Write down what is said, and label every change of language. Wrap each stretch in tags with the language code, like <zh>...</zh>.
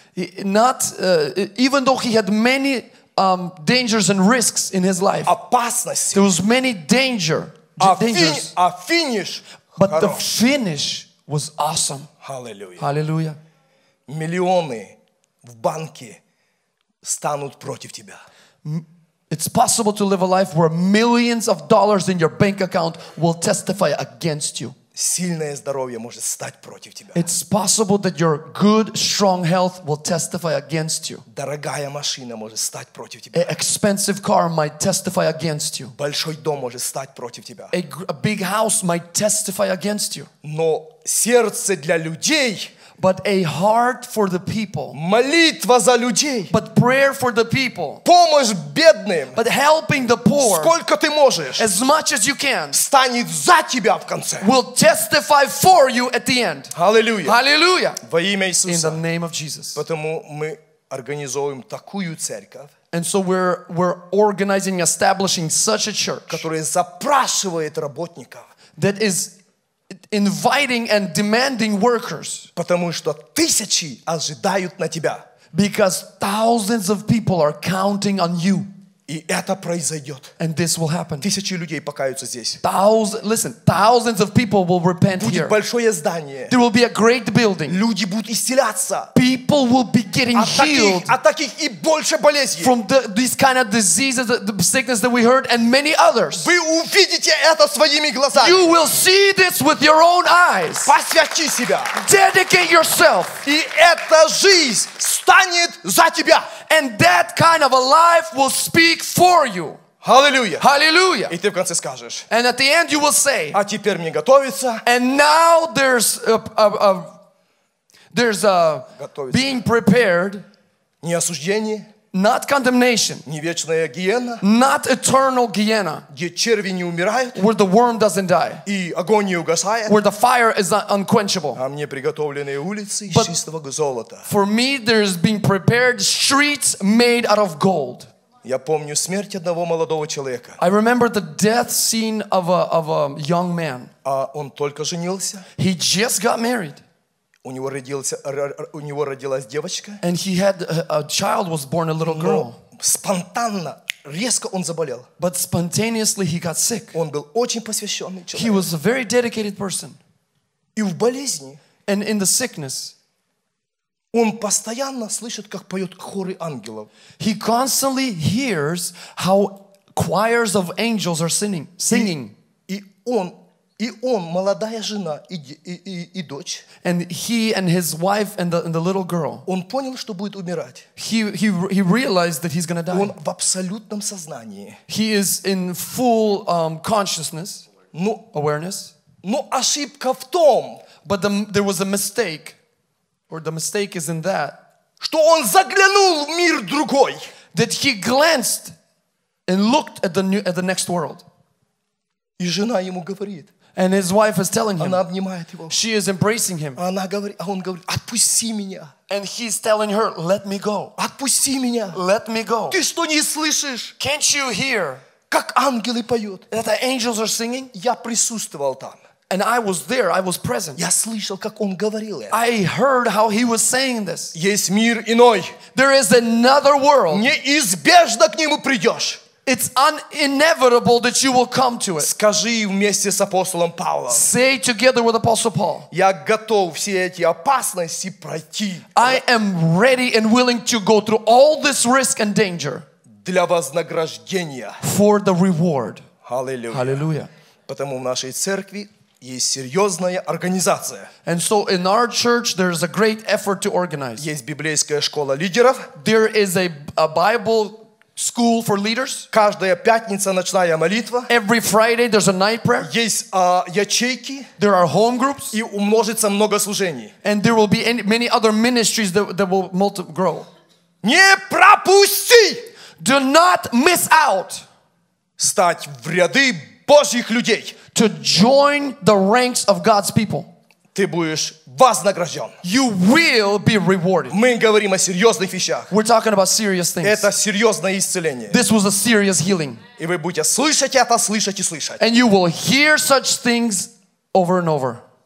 <en>Even though he had many dangers and risks in his life.</en> <ru>Опасности.</ru> <en>There was many dangers.</en> <ru>А финиш.</ru> <en>But</en> <ru>хорош.</ru> <en>The finish was awesome. Hallelujah. Hallelujah.</en> <ru>Миллионы в банке. Станут против тебя.</ru> <en>It's possible to live a life where millions of dollars in your bank account will testify against you.</en> <ru>Сильное здоровье может стать против тебя.</ru> <en>It's possible that your good, strong health will testify against you.</en> <ru>Дорогая машина может стать против тебя.</ru> <en>An expensive car might testify against you.</en> <ru>Большой дом может стать против тебя.</ru> <en>A big house might testify against you.</en> <ru>Но сердце для людей.</ru> <en>But a heart for the people.</en> <ru>Молитва за людей.</ru> <en>But prayer for the people.</en> <ru>Помощь бедным.</ru> <en>But helping the poor.</en> <ru>Сколько ты можешь.</ru> <en>As much as you can.</en> <ru>Станет за тебя в конце.</ru> <en>Will testify for you at the end. Hallelujah. Hallelujah.</en> <ru>Во имя Иисуса.</ru> <en>In the name of Jesus.</en> <ru>Потому мы организовываем такую церковь.</ru> <en>And so we're organizing, establishing such a church.</en> <ru>Которая запрашивает работников.</ru> <en>That is inviting and demanding workers.</en> <ru>Потому что тысячи ожидают на тебя.</ru> <en>Because thousands of people are counting on you.</en> <ru>И это произойдет.</ru> <en>And this will happen.</en> <ru>Тысячи людей покаются здесь.</ru> <en>Thousands of people will repent</en> <ru>будет</ru> <en>here.</en> <ru>Будет большое здание.</ru> <en>There will be a great building.</en> <ru>Люди будут исцеляться.</ru> <en>People will be getting healed.</en> <ru>От таких и больше болезней.</ru> <en>From these kind of diseases, the sickness that we heard, and many others.</en> <ru>Вы увидите это своими глазами.</ru> <en>You will see this with your own eyes.</en> <ru>Посвяти себя.</ru> <en>Dedicate yourself.</en> <ru>И эта жизнь станет за тебя.</ru> <en>And that kind of a life will speak for you. Hallelujah. Hallelujah.</en> <ru>И ты в конце скажешь.</ru> <en>And at the end you will say.</en> <ru>А теперь мне готовиться.</ru> <en>And now there's a</en> <ru>готовиться.</ru> <en>Being prepared.</en> <ru>Не осуждение.</ru> <en>Not condemnation.</en> <ru>Не вечная гиена.</ru> <en>Not eternal gehenna.</en> <ru>Где черви не умирают.</ru> <en>Where the worm doesn't die.</en> <ru>И огонь не угасает.</ru> <en>Where the fire is unquenchable.</en> <ru>А мне приготовлены улицы из чистого золота.</ru> <en>For me there's being prepared streets made out of gold.</en> <ru>Я помню смерть одного молодого человека.</ru> <en>I remember the death scene of a young man.</en> <ru>А он только женился.</ru> <en>He just got married.</en> <ru>У него родился, родилась девочка.</ru> <en>And he had a child, was born a little girl.</en> <ru>Спонтанно, резко он заболел.</ru> <en>But spontaneously he got sick.</en> <ru>Он был очень посвященный человек.</ru> <en>He was a very dedicated person.</en> <ru>И в болезни.</ru> <en>And in the sickness.</en> <ru>Он постоянно слышит, как поют хоры ангелов.</ru> <en>He constantly hears how choirs of angels are singing.</en> <ru>И он, молодая жена и дочь.</ru> <en>And he and his wife and the little girl.</en> <ru>Он понял, что будет умирать.</ru> <en>He realized that he's gonna die.</en> <ru>Он в абсолютном сознании.</ru> <en>He is in full consciousness.</en> <ru>Но,</ru> <en>awareness.</en> <ru>Но ошибка в том.</ru> <en>But there was a mistake. Or the mistake is in that.</en> <ru>Что он заглянул в мир другой.</ru> <en>That he glanced and looked at the next world.</en> <ru>И жена ему говорит.</ru> <en>And his wife is telling him.</en> <ru>Она обнимает его.</ru> <en>She is embracing him.</en> <ru>Она говорит, а он говорит, отпусти меня.</ru> <en>And he's telling her, let me go.</en> <ru>Отпусти меня.</ru> <en>Let me go.</en> <ru>Ты что не слышишь?</ru> <en>Can't you hear?</en> <ru>Как ангелы поют.</ru> <en>That the angels are singing?</en> <ru>Я присутствовал там.</ru> <en>And I was there, I was present.</en> <ru>Я слышал, как он говорил это.</ru> <en>I heard how he was saying this.</en> <ru>Есть мир иной.</ru> <en>There is another world.</en> <ru>Неизбежно к нему придешь.</ru> <en>It's inevitable that you will come to it.</en> <ru>Скажи вместе с апостолом Павлом.</ru> <en>Say together with Apostle Paul.</en> <ru>Я готов все эти опасности пройти.</ru> <en>I am ready and willing to go through all this risk and danger.</en> <ru>Для вознаграждения.</ru> <en>For the reward. Hallelujah. Hallelujah.</en> <ru>Потому в нашей церкви есть серьезная организация.</ru> <en>And so in our church there is a great effort to organize.</en> <ru>Есть библейская школа лидеров.</ru> <en>There is a Bible school for leaders.</en> <ru>Каждая пятница ночная молитва.</ru> <en>Every Friday there's a night prayer.</en> <ru>Есть ячейки.</ru> <en>There are home groups.</en> <ru>И умножится много служений.</ru> <en>And there will be many other ministries that will grow.</en> <ru>Не пропусти!</ru> <en>Do not miss out.</en> <ru>Стать в ряды Божьих людей.</ru> <en>To join the ranks of God's people.</en> <ru>Ты будешь вознагражден.</ru> <en>You will be rewarded.</en> <ru>Мы говорим о серьезных вещах.</ru> <en>We're talking about serious things.</en> <ru>Это серьезное исцеление.</ru> <en>This was a serious healing.</en> <ru>И вы будете слышать это, слышать и слышать.</ru> <en>And you will hear such things over and over.</en>